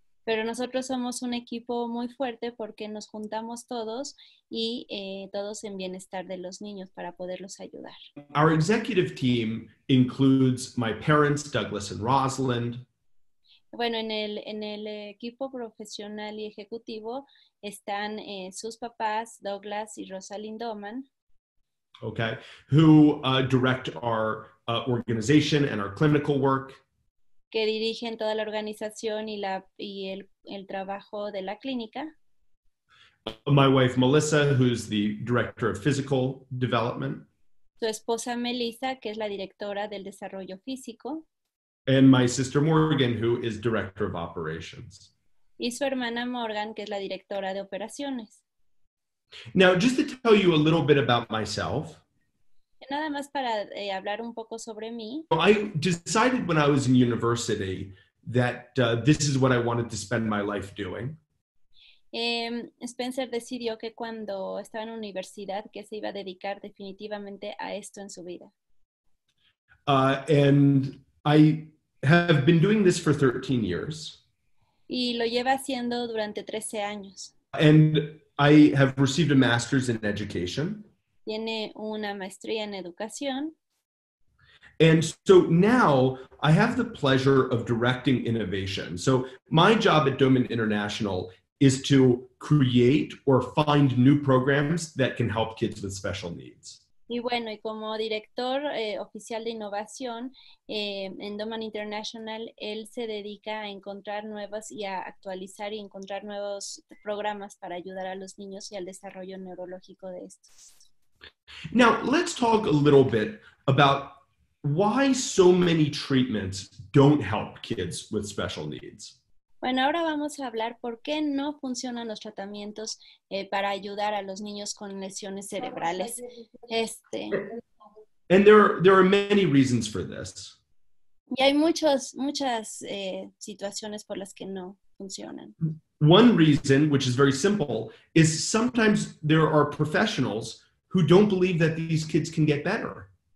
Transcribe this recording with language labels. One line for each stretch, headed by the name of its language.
Spanish: Pero nosotros somos un equipo muy fuerte porque nos juntamos todos y todos en bienestar de los niños para poderlos ayudar.
English: Our executive team includes my parents, Douglas and Rosalind.
Spanish: Bueno, en el equipo profesional y ejecutivo están sus papás, Douglas y Rosalind Doman.
English: Okay, who direct our organization and our clinical work.
Spanish: Que dirigen toda la organización y el trabajo de la clínica.
English: My wife, Melissa, who's the director of physical development.
Spanish: Su esposa, Melissa, que es la directora del desarrollo físico.
English: And my sister, Morgan, who is director of operations.
Spanish: Y su hermana, Morgan, que es la directora de operaciones.
English: Now, just to tell you a little bit about myself.
Spanish: Nada más para hablar un poco sobre mí.
English: I decided when I was in university that this is what I wanted to spend my life doing.
Spanish: Spencer decidió que cuando estaba en universidad que se iba a dedicar definitivamente a esto en su vida.
English: And I have been doing this for 13 years.
Spanish: Y lo lleva haciendo durante 13 años.
English: And I have received a master's in education.
Spanish: Tiene una maestría en educación.
English: And so now I have the pleasure of directing innovation. So my job at Doman International is to create or find new programs that can help kids with special needs.
Spanish: Y bueno, y como director oficial de innovación en Doman International, él se dedica a encontrar nuevas y a actualizar y encontrar nuevos programas para ayudar a los niños y al desarrollo neurológico de estos.
English: Now, let's talk a little bit about why so many treatments don't help kids with special needs.
Spanish: Bueno, ahora vamos a hablar por qué no funcionan los tratamientos para ayudar a los niños con lesiones cerebrales.
English: And there are many reasons for this.
Spanish: Y hay muchas situaciones por las que no funcionan.
English: One reason, which is very simple, is sometimes there are professionals who don't believe that these kids can get better.